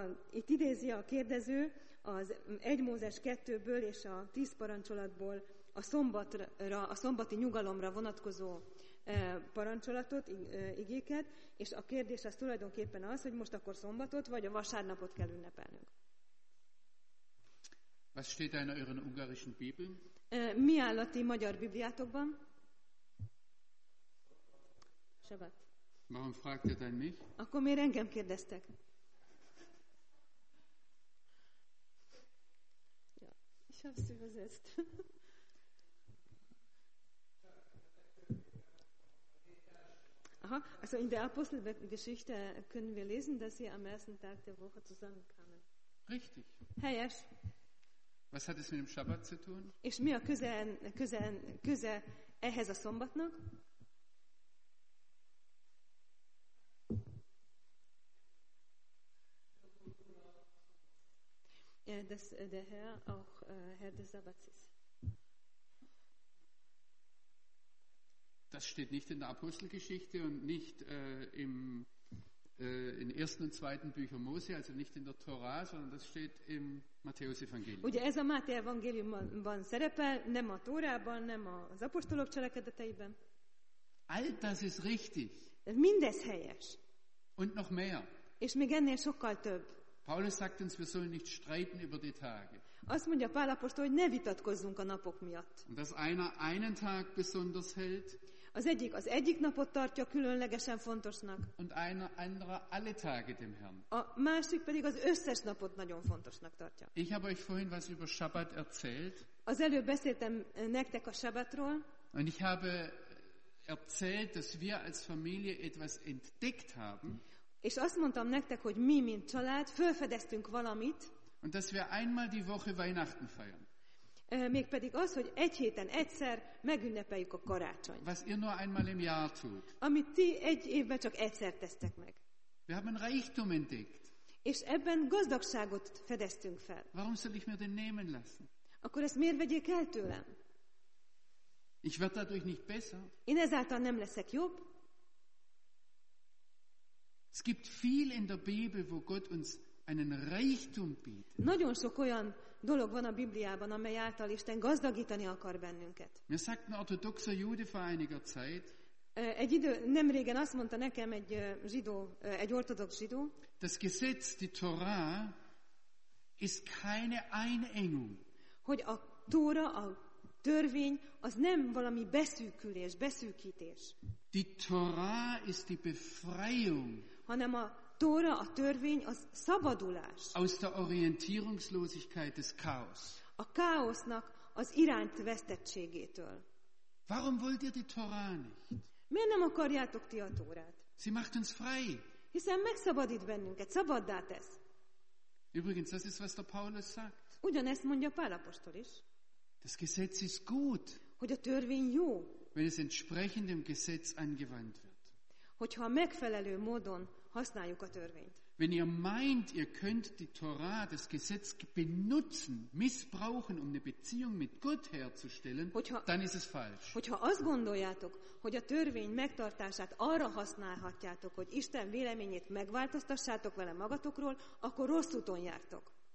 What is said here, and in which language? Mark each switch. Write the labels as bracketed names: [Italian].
[Hungarian] itt idézi a kérdező az 1 Mózes 2-ből és a 10 parancsolatból a szombatra, a szombati nyugalomra vonatkozó parancsolatot, igéket, és a kérdés az tulajdonképpen az, hogy most akkor szombatot vagy a vasárnapot kell ünnepelnünk. [German] Was steht da in euren ungarischen Bibeln? [Hungarian] Mi áll a ti magyar bibliátokban? [German] Sabbat. Warum fragt ihr denn mich? [Hungarian] Akkor miért engem kérdeztek? [German] Ja, ich hab's übersetzt. Aha, also in der Apostelgeschichte können wir lesen, dass sie am ersten Tag der Woche zusammenkamen. Richtig. [Hungarian] Helyes. [German] Was hat es mit dem Sabbat zu tun? [Hungarian] És mi a köze ehhez a szombatnak? [German] Ja, dass der Herr auch Herr des Sabbats ist. Das steht nicht in der Apostelgeschichte und nicht in ersten und zweiten Büchern Mose, also nicht in der Tora, sondern das steht im Matthäus-Evangelium. [Hungarian] Ugye ez a Máté evangéliumban szerepel, nem a Tórában, nem az apostolok cselekedeteiben. [German] All das ist richtig. [Hungarian] Mindez helyes. [German] Und noch mehr. [Hungarian] És még ennél sokkal több. [German] Paulus sagt uns, wir sollen nicht streiten über die Tage. [Hungarian] Azt mondja Pál apostol, hogy ne vitatkozzunk a napok miatt. [German] Und dass einer einen Tag besonders hält. [Hungarian] Az egyik napot tartja különlegesen fontosnak. [German] Und einer andere alle Tage dem Herrn. [Hungarian] A másik pedig az összes napot nagyon fontosnak tartja. [German] Ich habe euch vorhin was über Sabbat erzählt. [Hungarian] Az előbb beszéltem nektek a Sabbatról. [German] Und ich habe erzählt, dass wir als Familie etwas entdeckt haben. [Hungarian] És azt mondtam nektek, hogy mi, mint család, felfedeztünk valamit. [German] Und dass wir einmal die Woche Weihnachten feiern. [Hungarian] Mégpedig az, hogy egy héten egyszer megünnepeljük a karácsonyt. [German] Was ihr nur einmal im Jahr tut. [Hungarian] Amit ti egy évben csak egyszer tesztek meg. [German] Wir haben Reichtum entdeckt. [Hungarian] És ebben gazdagságot fedeztünk fel. [German] Warum soll ich mir den nehmen lassen? [Hungarian] Akkor ezt miért vegyék el tőlem? [German] Ich werde dadurch nicht besser. [Hungarian] Én ezáltal nem leszek jobb. [German] Es gibt viel in der Bibel, wo Gott uns einen Reichtum bietet. [Hungarian] Nagyon sok olyan dolog van a Bibliában, amely által Isten gazdagítani akar bennünket. [German] Mir sagt ein orthodoxer Jude vor einiger Zeit. [Hungarian] Egy idő, nem régen azt mondta nekem egy zsidó, egy ortodox zsidó. [German] Das Gesetz, die Torah, ist keine Einengung. [Hungarian] Hogy a Tóra, a törvény, az nem valami beszűkülés, beszűkítés. [German] Die Torah ist die Befreiung. [Hungarian] Hanem a Tóra, a törvény, az szabadulás. [German] Aus der Orientierungslosigkeit des Chaos. [Hungarian] A káosznak az irányt vesztettségétől. [German] Warum wollt ihr die Torah nicht? [Hungarian] Miért nem akarjátok ti a Tórát? [German] Sie macht uns frei. [Hungarian] Hiszen megszabadít bennünket, szabaddá tesz. [German] Übrigens, das ist, was der Paulus sagt. [Hungarian] Ugyanezt mondja Pál apostol is. [German] Das Gesetz ist gut. [Hungarian] Hogy a törvény jó. [German] Wenn es entsprechend dem Gesetz angewandt wird. [Hungarian] Hogyha megfelelő módon használjuk a törvényt. [German] Wenn ihr meint, ihr könnt die Torah, das Gesetz benutzen, missbrauchen, um eine Beziehung mit Gott herzustellen, dann ist es falsch. [Hungarian] Hogyha azt gondoljátok, hogy a törvény megtartását arra használhatjátok, hogy Isten véleményét megváltoztassátok vele magatokról, akkor rossz úton jártok.